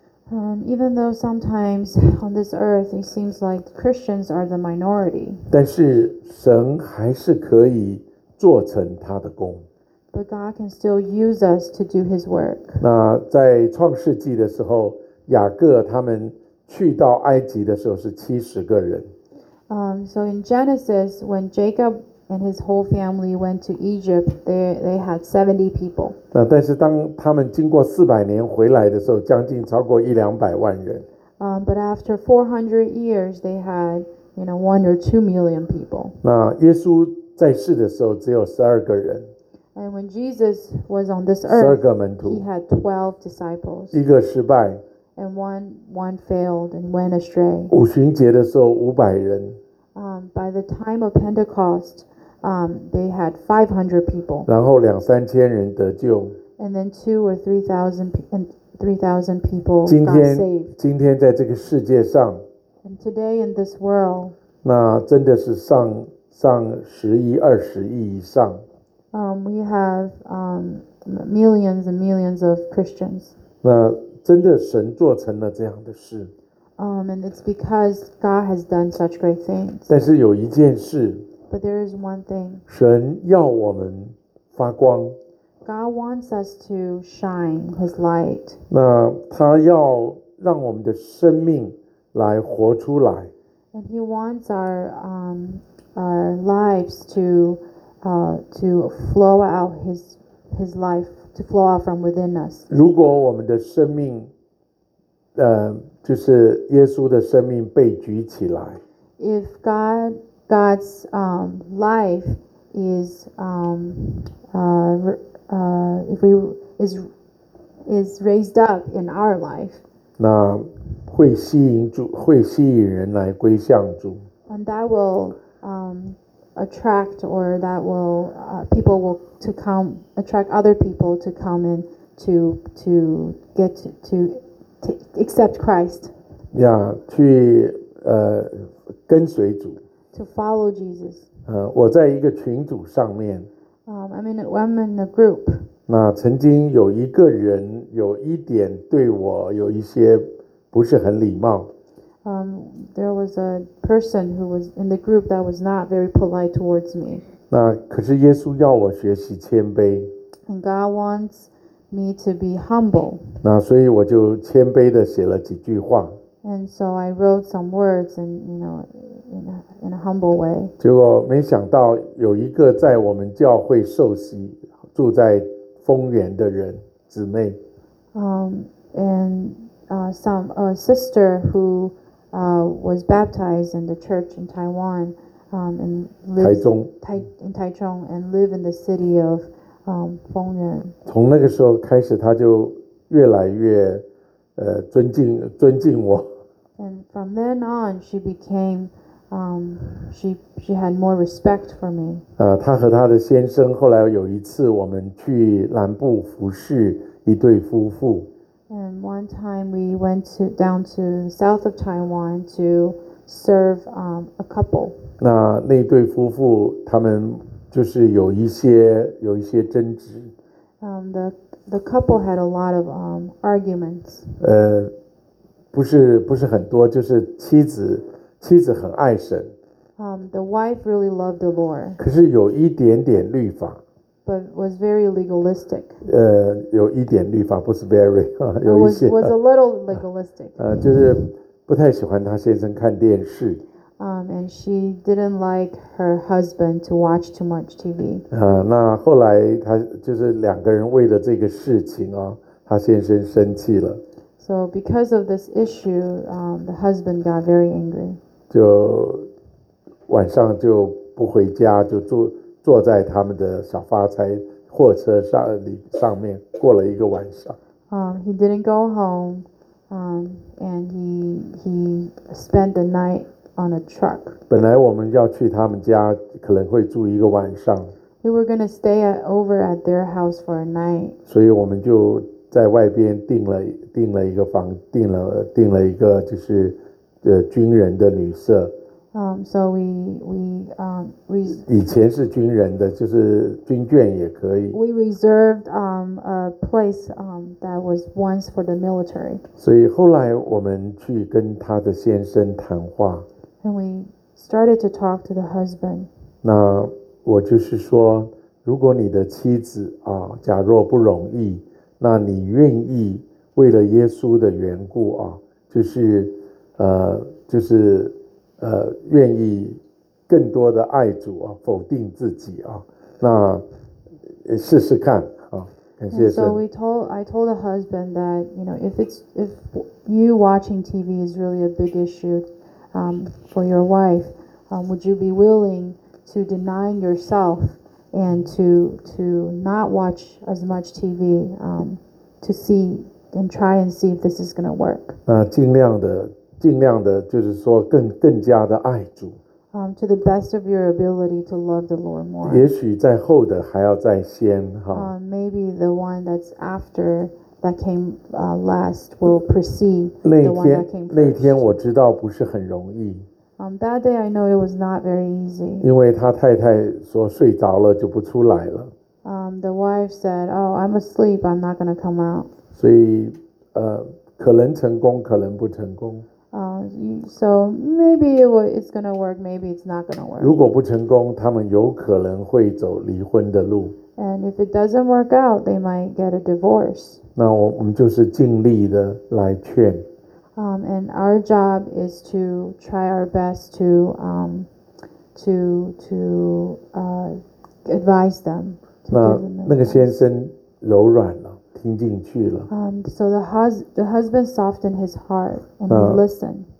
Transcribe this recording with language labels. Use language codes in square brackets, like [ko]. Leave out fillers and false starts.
[en] Even though sometimes on this earth it seems like Christians are the minority, [zh] 但是神还是可以做成他的工, [en] but God can still use us to do His work. [zh] 那在创世纪的时候, 雅各他们去到埃及的时候是70个人, [en] so in Genesis, when Jacob and his whole family went to Egypt, they had 70 people. [zh] 但是当他们经过400年回来的时候, 将近超过一两百万人, [en] but after 400 years, they had, you know, 1 or 2 million people. [zh] 那耶稣在世的时候, 只有12个人, [en] and when Jesus was on this earth, [zh] 12个门徒, [en] he had 12 disciples. [zh] 一个失败, [en] and one failed and went astray. [zh] 五旬节的时候, 500人, [en] by the time of Pentecost, they had 500 people. [zh] 然后两三千人得救。 [en] And then 2,000 or 3,000 people got saved. [zh] 今天在这个世界上。 [en] And today in this world. [zh] 那真的是上十亿、二十亿以上。 [en] We have millions and millions of Christians. [zh] 那真的神做成了这样的事。 [en] And it's because God has done such great things. [zh] 但是有一件事。 [en] But there is one thing. [zh] 神要我们发光。 [en] God wants us to shine His light. [zh] 那他要让我们的生命来活出来。 [en] And He wants our lives to flow out His life, to flow out from within us. [zh] 如果我们的生命就是耶稣的生命被举起来。 [en] If God's life is if we is raised up in our life, [zh] 那会吸引人来归向主。 [en] And that will attract or that will people will to come attract other people to come in to get to accept Christ. [zh] Yeah, 去跟随主。 [en] To follow Jesus. [zh] 我在一个群组上面。 [en] I'm in a group. [zh] 那曾经有一个人有一点对我有一些不是很礼貌。 [en] There was a person who was in the group that was not very polite towards me. [zh] 那可是耶稣要我学习谦卑。 [en] And God wants me to be humble. [zh] 那所以我就谦卑地写了几句话。 [en] And so I wrote some words and, you know, in a humble way. [zh] 结果没想到有一个在我们教会受洗住在丰原的人姊妹。 [en] A sister who was baptized in the church in Taiwan and lived in Taichung and live in the city of Fengyuan. [zh] 从那个时候开始他就越来越尊敬我。 [en] And from then on, she became, she had more respect for me. [zh] 她和她的先生后来有一次我们去南部服侍一对夫妇。 [en] And one time we went down to the south of Taiwan to serve a couple. [zh] 那对夫妇他们就是有一些争执。 [en] The couple had a lot of arguments. [zh] 不是很多，就是妻子很爱神。 [en] The wife really loved the Lord. [zh] 可是有一点点律法。 [en] But was very legalistic. [zh] 有一点律法，不是 [en] very， [zh] 有一些。 [en] Was a little legalistic. [zh] 就是不太喜欢她先生看电视。 [en] And she didn't like her husband to watch too much TV. [zh] 那后来她就是两个人为了这个事情啊，她先生生气了。 [en] So because of this issue, the husband got very angry. [zh] 就晚上就不回家，就坐在他们的小发财货车上面过了一个晚上。 [en] He didn't go home, and he spent the night on a truck. [zh] 本来我们要去他们家，可能会住一个晚上。 [en] We were gonna stay over at their house for a night. [zh] 所以我们就在外边订了一个房，订了一个就是军人的旅社。 [en] So we [zh] 以前是军人的，就是军眷也可以。 [en] We reserved a place that was once for the military. [zh] 所以后来我们去跟他的先生谈话。 [en] And we started to talk to the husband. [zh] 那我就是说，如果你的妻子啊，假若不容易。那你愿意为了耶稣的缘故啊，就是愿意更多的爱主啊，否定自己啊，那试试看啊，感谢神。 [en] And so I told the husband that, you know, if you watching TV is really a big issue, for your wife, would you be willing to deny yourself? And to not watch as much TV, to see and try and see if this is going to work. [zh] 尽量的就是说更加的爱主。 [en] to the best of your ability to love the Lord more. [zh] 也许在后的还要在先哈。 [en] Maybe the one that's after that came last will precede the one that came first. [zh] 那天我知道不是很容易。 [en] That day I know it was not very easy. [zh] 因为他太太说睡着了就不出来了。 [en] The wife said, "Oh, I'm asleep. I'm not going to come out." [zh] 所以可能成功，可能不成功。 [en] So maybe it's going to work, maybe it's not going to work. [zh] 如果不成功，他们有可能会走离婚的路。 [en] And if it doesn't work out, they might get a divorce. [zh] 那我们就是尽力的来劝。 [en] And our job is to try our best to advise them. [zh] 那个先生柔软了。听进去了。 [en] So the husband softened his heart and he listened.